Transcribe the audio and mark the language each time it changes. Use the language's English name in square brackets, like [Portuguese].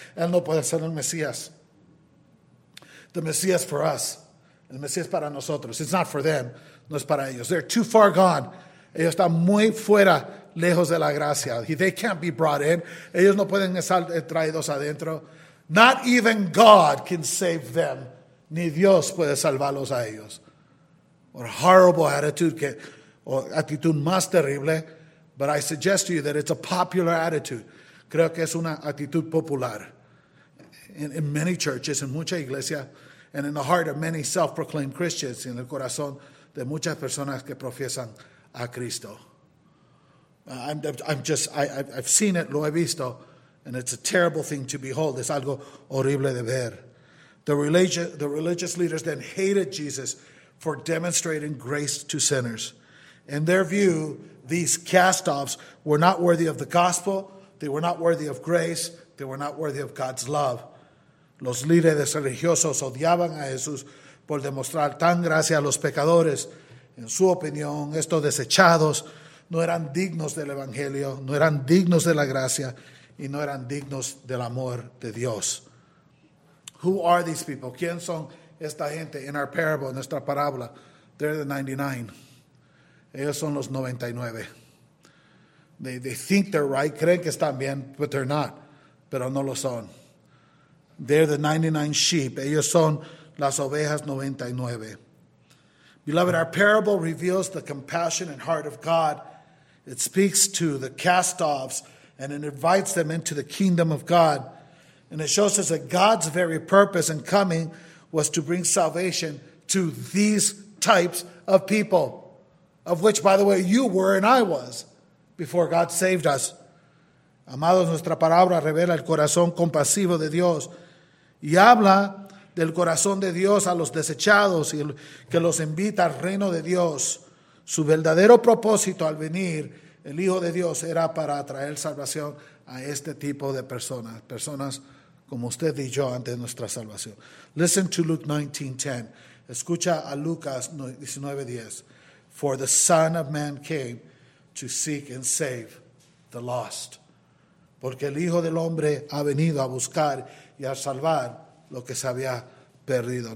[Spanish] Él no puede ser el Mesías. [English] The Messiah is for us. [Spanish] El Mesías para nosotros. [English] It's not for them. [Spanish] No es para ellos. [English] They're too far gone. [Spanish] Ellos están muy fuera, lejos de la gracia. [English] They can't be brought in. [Spanish] Ellos no pueden estar traídos adentro. [English] Not even God can save them. [Spanish] Ni Dios puede salvarlos a ellos. [English] What a horrible attitude. [Spanish] Actitud más terrible. [English] But I suggest to you that it's a popular attitude. [Spanish] Creo que es una actitud popular. [English] In many churches, [Spanish] en mucha iglesia, [English] and in the heart of many self-proclaimed Christians, [Spanish] en el corazón de muchas personas que profesan a Cristo. [English] I've seen it, [Spanish] lo he visto, [English] and it's a terrible thing to behold. [Spanish] Es algo horrible de ver. [English] The religious leaders then hated Jesus for demonstrating grace to sinners. In their view, these cast-offs were not worthy of the gospel, they were not worthy of grace, they were not worthy of God's love. [Spanish] Los líderes religiosos odiaban a Jesús por demostrar tan gracia a los pecadores. En su opinión, estos desechados no eran dignos del evangelio, no eran dignos de la gracia y no eran dignos del amor de Dios. [English] Who are these people? [Spanish] ¿Quién son esta gente? [English] In our parable, [Spanish] en nuestra parábola, [English] they're the 99. [Spanish] Ellos son los 99. [English] They think they're right, [Spanish] creen que están bien, [English] but they're not. [Spanish] Pero no lo son. [English] They're the 99 sheep. [Spanish] Ellos son las ovejas 99. [English] Beloved, our parable reveals the compassion and heart of God. It speaks to the cast-offs and it invites them into the kingdom of God. And it shows us that God's very purpose in coming was to bring salvation to these types of people. Of which, by the way, you were and I was before God saved us. [Spanish] Amados, nuestra palabra revela el corazón compasivo de Dios y habla del corazón de Dios a los desechados y que los invita al reino de Dios. Su verdadero propósito al venir, el Hijo de Dios, era para traer salvación a este tipo de personas, personas como usted y yo antes de nuestra salvación. [English] Listen to Luke 19:10. [Spanish] Escucha a Lucas 19:10. [English] For the Son of Man came to seek and save the lost. [Spanish] Porque el Hijo del Hombre ha venido a buscar y a salvar lo que se había perdido.